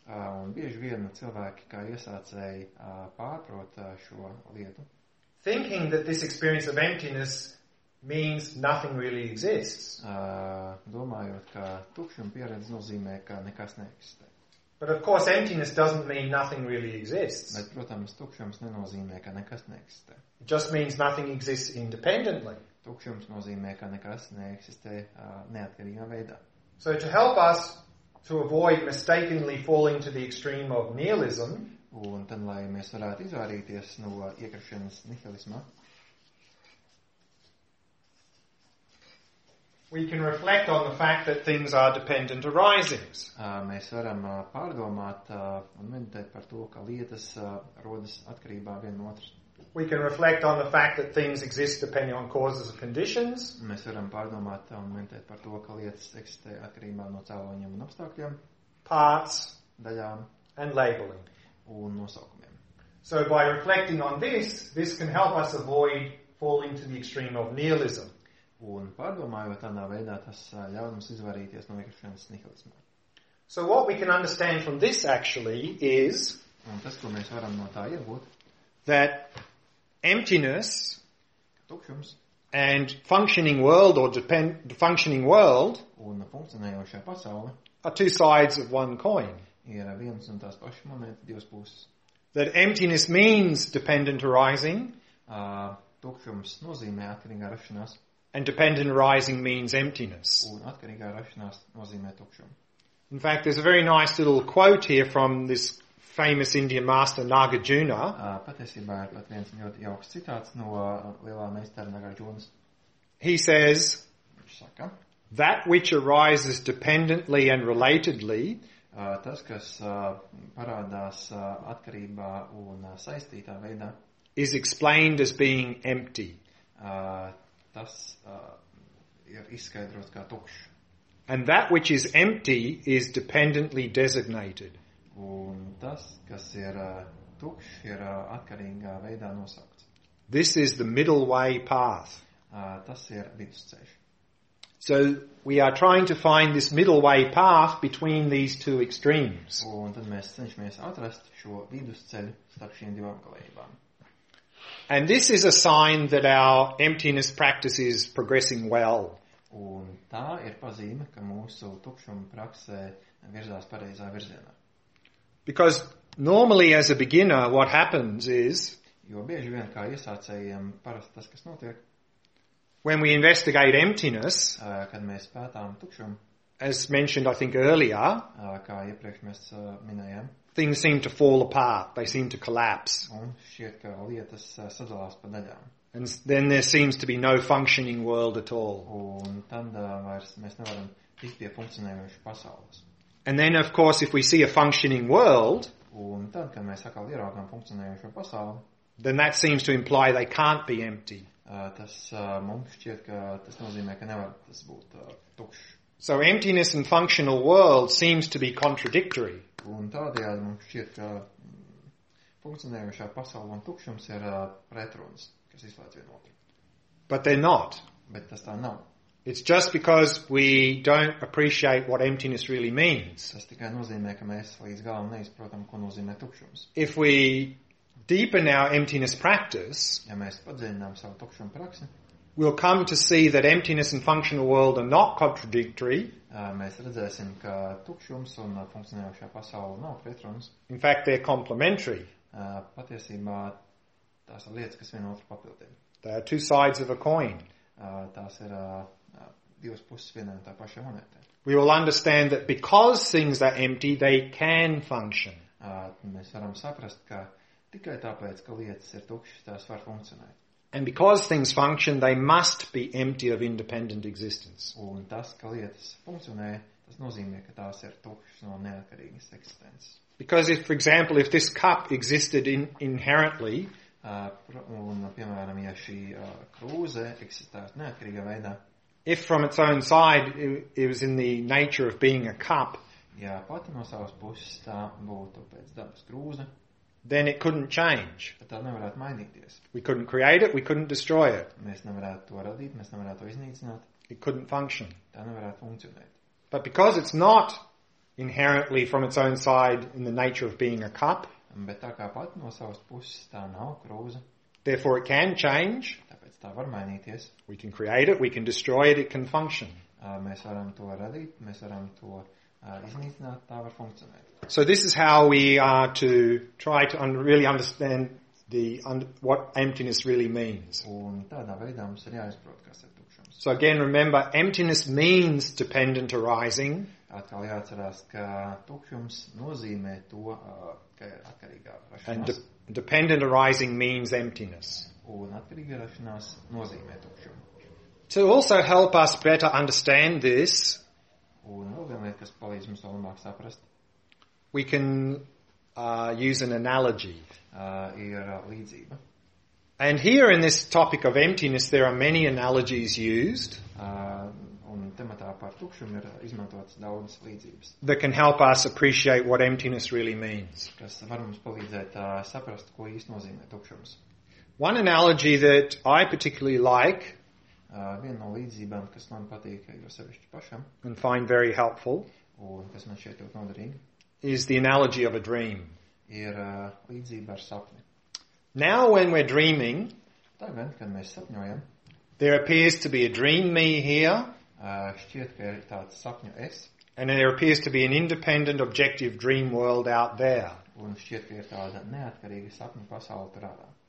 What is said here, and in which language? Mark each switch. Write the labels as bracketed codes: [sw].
[lv] Un bieži vien cilvēki, kā iesācēji, pārprot šo lietu. [en] Thinking that this experience of emptiness means nothing really exists. [lv] Domājot, ka tukšuma pieredze nozīmē, ka nekas neeksistē. [en] But of course emptiness doesn't mean nothing really exists. [lv] Bet, protams, tukšums nenozīmē, ka nekas neeksistē. [en] It just means nothing exists independently. [lv] Tukšums nozīmē, ka nekas neeksistē neatkarīgā veidā. [en] So to help us to avoid mistakenly falling to the extreme of nihilism, [lv] un tad, lai mēs varētu izvairīties no iekrišanas nihilismā, [en] we can reflect on the fact that things are dependent arisings. [lv] Mēs varam pārdomāt un meditēt par to, ka lietas rodas atkarībā viena no otras. [en] We can reflect on the fact that things exist depending on causes and conditions. [lv] Mēs varam pārdomāt un meditēt par to, ka lietas eksistē atkarībā no cēloņiem un apstākļiem. [en] Parts, [lv] daļām [en] and labeling. [lv] Un nosaukumiem. [en] So by reflecting on this, this can help us avoid falling to the extreme of nihilism. [lv] Un pārdomājot tādā veidā, tas ļauj mums izvairīties no iekrišanas nihilismā. [en] So what we can understand from this actually is, [lv] un tas, ko mēs varam no tā iegūt, [en] that emptiness, [lv] tukšums, [en] and functioning world or depend functioning world, [lv] un funkcionējošā pasaule, [en] are two sides of one coin. [lv] Ir viens un tās pašas monētas divas puses. [en] That emptiness means dependent arising, [lv] tukšums nozīmē atkarīgā rašanās, [en] and dependent arising means emptiness. [lv] Un atkarīgā rašanās nozīmē tukšumu. [en] In fact, there's a very nice little quote here from this famous Indian master Nagarjuna. [lv] Patiesībā ir pat viens ļoti jauks citāts no lielā meistara Nagarjunas. [en] He says, [lv] saka, [en] that which arises dependently and relatedly, [lv] tas, kas parādās atkarībā un saistītā veidā, [en] is explained as being empty. [lv] Tas ir izskaidrots kā tukšs. [en] And that which is empty is dependently designated. [lv] Un tas, kas ir tukšs, ir atkarīgā veidā nosaukts. [en] This is the middle way path. [lv] Tas ir vidusceļš. [en] So we are trying to find this middle way path between these two extremes. [lv] Un tad mēs cenšamies atrast šo vidusceļu starp šiem divām galējībām. [en] And this is a sign that our emptiness practice is progressing well. [lv] Un tā ir pazīme, ka mūsu tukšuma praksē virzās pareizā virzienā. [en] Because normally as a beginner what happens is, [lv] jo bieži vien kā iesācējiem parasti tas, kas notiek, [en] when we investigate emptiness, [lv] kad mēs pētām tukšumu, [en] as mentioned I think earlier, [lv] kā iepriekš mēs minējām, [en] things seem to fall apart, they seem to collapse. [lv] Un šķiet, ka lietas sadalās pa daļām. [en] And then there seems to be no functioning world at all. [lv] Un tad vairs mēs nevaram tikt pie funkcionējošas pasaules. [en] And then of course if we see a functioning world, [lv] un tad, kad mēs atkal ieraugām funkcionējošo pasauli, [en] then that seems to imply they can't be empty. [lv] Tas mums šķiet, ka tas nozīmē, ka nevar tas būt tukšs. [en] So emptiness and functional world seems to be contradictory. [lv] Un tādējādi mums šķiet, ka funkcionējošā pasaule un tukšums ir pretrunas, kas izslēdz vienu otru. [en] But they're not. [lv] Bet tas tā nav. [en] It's just because we don't appreciate what emptiness really means. [lv] Tas tikai nozīmē, ka mēs līdz galam neizprotam, ko nozīmē tukšums. [en] If we deepen our emptiness practice, [lv] ja mēs padziļinām savu tukšuma praksi, [en] we'll come to see that emptiness and functional world are not contradictory. [lv] Mēs redzēsim, ka tukšums un funkcionējošā pasaule nav pretrunas. [en] In fact, they're complementary. [lv] Patiesībā tās ir lietas, kas viena otru papildē. [en] They are two sides of a coin. [lv] Tās ir divas puses vienā un tā pašā monētā. [en] We will understand that because things are empty, they can function. [lv] Mēs varam saprast, ka tikai tāpēc, ka lietas ir tukšas, tās var funkcionēt. [en] And because things function, they must be empty of independent existence. [lv] Un tas, ka lietas funkcionē, tas nozīmē, ka tās ir tukšas no neatkarīgas eksistences. [en] Because if, for example, if this cup existed inherently, [lv] un, piemēram, ja šī krūze eksistētu neatkarīgā veidā, [en] if from its own side it was in the nature of being a cup, [lv] ja pati no savas puses tā būtu pēc dabas krūze, [en] then it couldn't change. [lv] Bet tā nevarētu mainīties. [en] We couldn't create it, we couldn't destroy it. [lv] Mēs nevarētu to radīt, mēs nevarētu to iznīcināt. [en] It couldn't function. [lv] Tā nevarētu funkcionēt. [en] But because it's not inherently from its own side in the nature of being a cup, [lv] bet tā kā pat no savas puses tā nav krūze, [en] therefore it can change. [lv] Tāpēc tā var mainīties. [en] We can create it, we can destroy it, it can function. [lv] Mēs varam to radīt, mēs varam to iznīcināt, tā var funkcionēt. [en] So this is how we are to try to really understand the what emptiness really means. [lv] Un tādā veidā mums ir jāizprot, kas ir tukšums. [en] So again, remember, emptiness means dependent arising. [lv] Atkal jāatcerās, ka tukšums nozīmē to, ka ir atkarīgā rašanās. [en] And dependent arising means emptiness. [lv] Un atkarīgā rašanās nozīmē tukšumu. [en] To also help us better understand this, [lv] un vēl viena lieta, kas palīdz mums to labāk saprast, [en] we can use an analogy. [lv] Ir līdzība. [en] And here in this topic of emptiness, there are many analogies used. [lv] Un tematā par tukšumu ir izmantotas daudzas līdzības. [en] That can help us appreciate what emptiness really means. [lv] Kas var mums palīdzēt saprast, ko īsti nozīmē tukšums. [en] One analogy that I particularly like, [lv] viena no līdzībām, kas man patīk, jo sevišķi pašam, [en] and find very helpful, [lv] un kas man šeit ļoti noderīga, [en] is the analogy of a dream. [lv] Ir līdzība ar sapni. [en] Now when we're dreaming, [lv] tagad, kad mēs sapņojam, [en] there appears to be a dream me here, [lv] šķiet, ka ir tāds sapņu es, [en] and there appears to be an independent objective dream world out there. [lv] Un šķiet, ka ir tāda neatkarīga sapņu pasaule tur ārā.